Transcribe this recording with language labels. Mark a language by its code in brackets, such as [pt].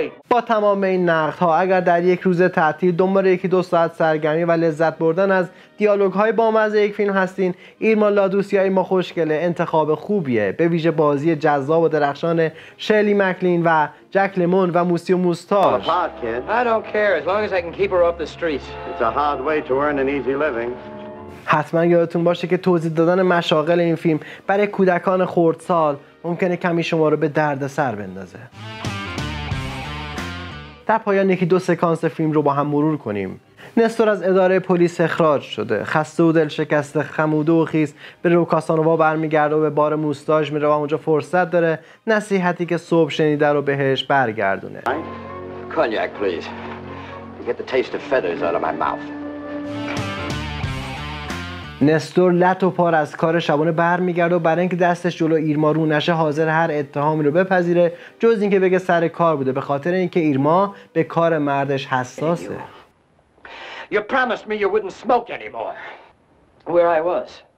[fa] با تمام این نقد ها، اگر در یک روز تعطیل دنبال یکی دو ساعت سرگرمی و لذت بردن از دیالوگ های بامزه یک فیلم هستین، ایرما لادوسیا ایرما خوشگله انتخاب خوبیه، به ویژه بازی جذاب و درخشان شلی مکلین و جک لمون و موسی و موستاش. [en] I don't care as long as I can keep her off the streets. It's a hard way to earn an easy living. [fa] حتما یادتون باشه که توضیح دادن مشاغل این فیلم برای کودکان خردسال ممکنه کمی شما رو به درد سر بندازه. در پایان یکی دو سکانس فیلم رو با هم مرور کنیم. نستور از اداره پلیس اخراج شده، خسته و دلشکسته، خموده و خیس، به روکاسانووا برمیگرده و به بار موستاژ میره و اونجا فرصت داره نصیحتی که صبح شنیده رو بهش برگردونه. [en] Cognac please. Get the taste of feathers out of my mouth. [fa] نستور لط و پار از کار شبانه بر میگرد و برای اینکه دستش جلو ایرما رو نشه حاضر هر اتهامی رو بپذیره جز اینکه بگه سر کار بوده، به خاطر اینکه ایرما به کار مردش حساسه. [en] You promised me you wouldn't smoke anymore. Where I was.